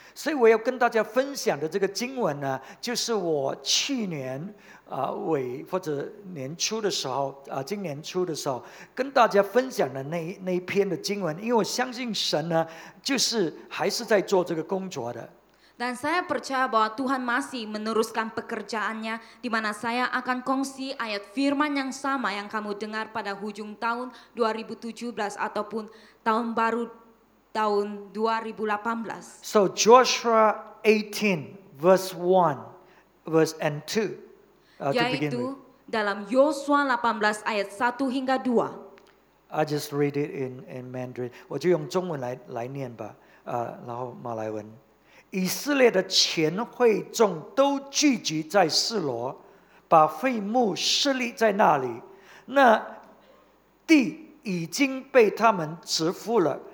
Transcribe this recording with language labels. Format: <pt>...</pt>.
<zh>所以我要跟大家分享的这个经文呢，就是我去年尾或者年初的时候今年初的时候跟大家分享的那一篇的经文，因为我相信神呢，就是还是在做这个工作的。</zh> <ms>Dan saya percaya bahwa Tuhan masih meneruskan pekerjaannya, di mana saya akan kongsi ayat firman yang sama yang kamu dengar pada hujung tahun 2017 ataupun tahun baru tahun 2018.</ms> <en>So Joshua 18 verse 1 verse and 2</en> <ms>yaitu dalam Yosua 18 ayat 1 hingga 2.</ms> <en>I just read it in Mandarin.</en> <zh>我就用中文来念吧，然后马来文。以色列的全会众都聚集在示罗，把会幕设立在那里。那地已经被他们植覆了。</zh>